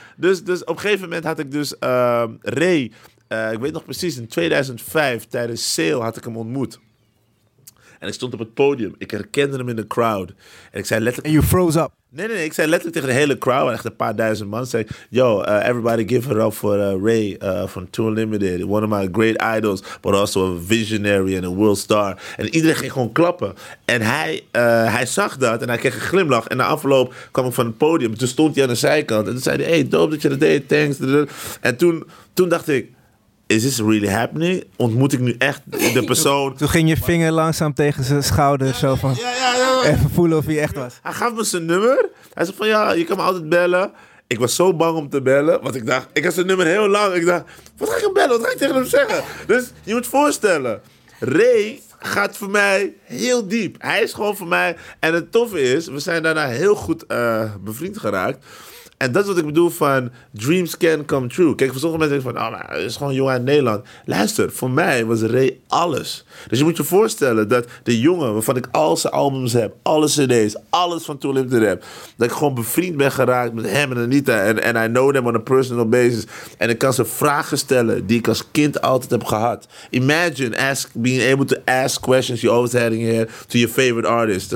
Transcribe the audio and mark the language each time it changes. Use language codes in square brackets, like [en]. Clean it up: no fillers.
[nl] Dus op een gegeven moment had ik dus Ray, ik weet nog precies, in 2005 tijdens Sale had ik hem ontmoet. En ik stond op het podium. Ik herkende hem in de crowd. En ik zei letterlijk... [en] And you froze up. [nl] Nee. Ik zei letterlijk tegen de hele crowd, echt een paar duizend man, zei, [en] yo, everybody give it up for Ray from Tour Limited. One of my great idols, but also a visionary and a world star. [nl] En iedereen ging gewoon klappen. En hij zag dat en hij kreeg een glimlach. En na afloop kwam ik van het podium. Toen stond hij aan de zijkant. En toen zei hij, hey, dope dat je dat deed, thanks. En toen dacht ik... [en] Is this really happening? [nl] Ontmoet ik nu echt de persoon? Toen ging je vinger langzaam tegen zijn schouder. Zo van, even voelen of hij echt was. Hij gaf me zijn nummer. Hij zei van, ja, je kan me altijd bellen. Ik was zo bang om te bellen. Want ik dacht, ik had zijn nummer heel lang. Ik dacht, wat ga ik hem bellen? Wat ga ik tegen hem zeggen? Dus je moet voorstellen. Ray gaat voor mij heel diep. Hij is gewoon voor mij. En het toffe is, we zijn daarna heel goed bevriend geraakt. En dat is wat ik bedoel van [en] dreams can come true. [nl] Kijk, voor sommige mensen denk ik van, oh, maar het is gewoon een jongen uit Nederland. Luister, voor mij was Ray alles. Dus je moet je voorstellen dat de jongen waarvan ik al zijn albums heb, alle cd's, alles van Tour Limited heb, dat ik gewoon bevriend ben geraakt met hem en Anita. [en] En I know them on a personal basis. [nl] En ik kan ze vragen stellen die ik als kind altijd heb gehad. [en] Imagine being able to ask questions you always had in your head to your favorite artist.